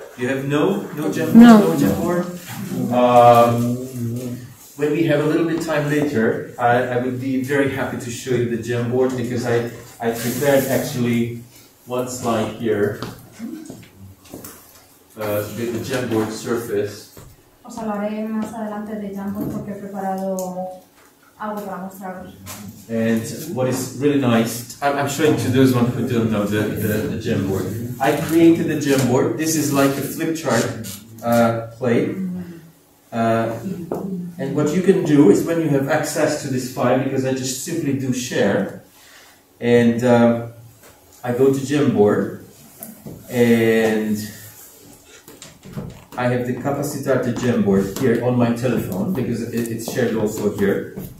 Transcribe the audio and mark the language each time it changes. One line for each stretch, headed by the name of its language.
English: You have no gem board? No. No gem board? When we have a little bit of time later, I would be very happy to show you the gem board because I prepared actually one slide here. The gem board surface.
Spanish: Os hablaré más adelante de Jamboard porque he preparado algo para mostraros.
English: And what is really nice, I'm showing to those ones who don't know the Jamboard. I created the Jamboard. This is like a flip chart plate. And what you can do is when you have access to this file, because I just simply do share, and I go to Jamboard, and I have the Capacit-Arte gem board here on my telephone because it's shared also here.